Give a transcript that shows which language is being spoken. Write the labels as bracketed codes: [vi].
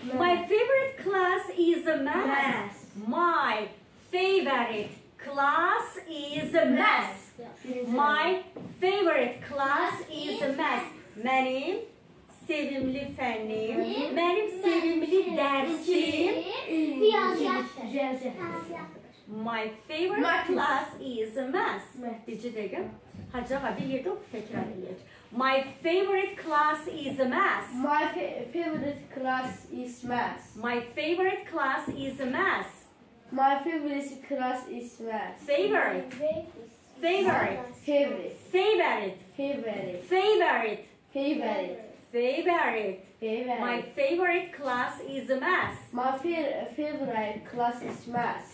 [en] My favorite class is math. My favorite class is math. My favorite class is math. [az] Mənim sevimli fənnim, mənim sevimli dərsim, [en] my favorite class is math. [az] Bircə dəqiqə. Hacı ağa bir yerdə oxu təkrar eləyək. [en] My favorite class is math. My favorite class is math. My favorite class is math. My favorite class is math. My favorite class is math.